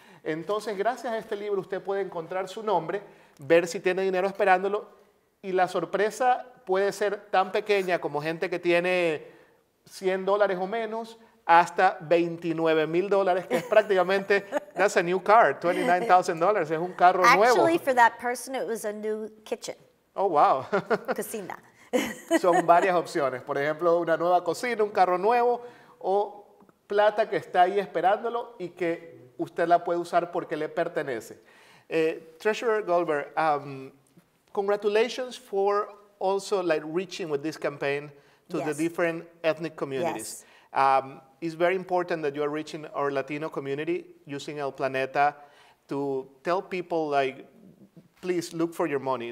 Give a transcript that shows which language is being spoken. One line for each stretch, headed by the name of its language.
Spanish: Entonces, gracias a este libro, usted puede encontrar su nombre, ver si tiene dinero esperándolo y la sorpresa puede ser tan pequeña como gente que tiene $100 o menos, hasta $29,000, que es prácticamente,
English: that's a new car,
Spanish: $29,000, es un carro
English: actually,
Spanish: nuevo.
English: Actually, for that person, it was a new kitchen. Oh, wow.
Spanish: Cocina. Son varias opciones. Por ejemplo, una nueva cocina, un carro nuevo, o plata que está ahí esperándolo y que usted la puede usar porque le pertenece.
English: Treasurer Goldberg, congratulations for also like reaching with this campaign to the different ethnic communities. Yes. It's very important that you are reaching our Latino community using El Planeta to tell people like, please look for your money.